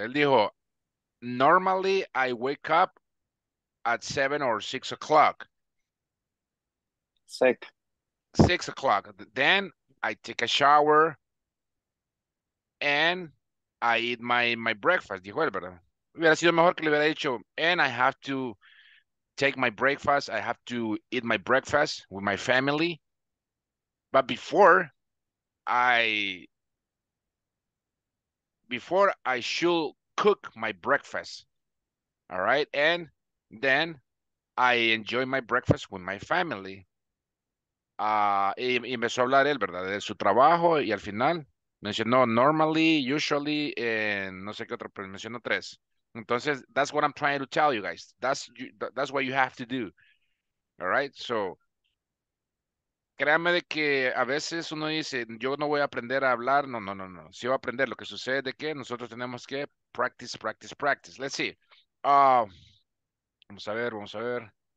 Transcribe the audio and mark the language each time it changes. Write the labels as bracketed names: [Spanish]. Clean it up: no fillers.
[Spanish] Él dijo, [English] normally I wake up at 7 or 6 o'clock. 6 o'clock. Then I take a shower and I eat my breakfast. [Spanish] Dijo él, ¿verdad? Hubiera sido mejor que le hubiera dicho, [English] and I have to take my breakfast. I have to eat my breakfast with my family. But before I should cook my breakfast. All right. And then I enjoy my breakfast with my family. [Spanish] Y empezó a hablar él, ¿verdad? De su trabajo, y al final mencionó [English] normally, usually, [Spanish] no sé qué otro, pero mencionó tres. Entonces, [English] that's what I'm trying to tell you guys. That's what you have to do. All right? [Spanish] So, créanme de que a veces uno dice, yo no voy a aprender a hablar. No. Sí va a aprender. Lo que sucede es que nosotros tenemos que [English] practice. Let's see. [Spanish] Vamos a ver.